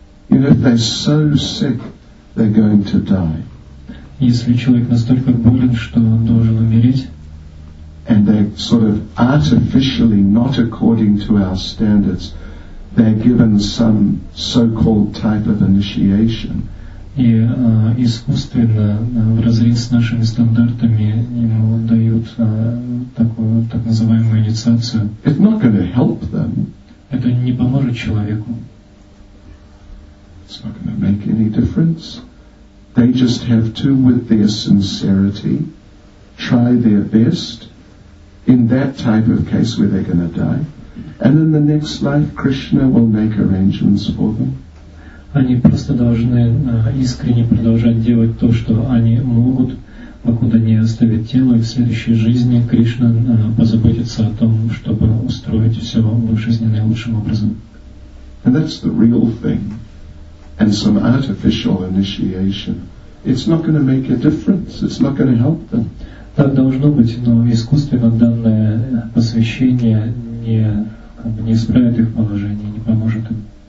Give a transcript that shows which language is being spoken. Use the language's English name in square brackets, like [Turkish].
[English] You know, if they're so sick, they're going to die. [Russian] Если человек настолько болен, что он должен умереть, [English] and they're sort of artificially not according to our standards, they're given some so-called type of initiation. [Russian] И искусственно, в разрез с нашими стандартами, ему дают такую так называемую инициацию. [English] It's not going to help them. [Russian] Это не поможет человеку. [English] It's not going to make any difference. They just have to, with their sincerity, try their best in that type of case where they're going to die. And in the next life, Krishna will make arrangements for them. [Russian] Они просто должны искренне продолжать делать то, что они могут, покуда не оставят тело, и в следующей жизни Кришна позаботится о том, чтобы устроить все жизненно наилучшим образом. [English] And that's the real thing. And some artificial initiation, it's not going to make a difference. It's not going to help them. [Russian] Так должно быть, но искусственно данное посвящение не исправит их положение, не поможет им.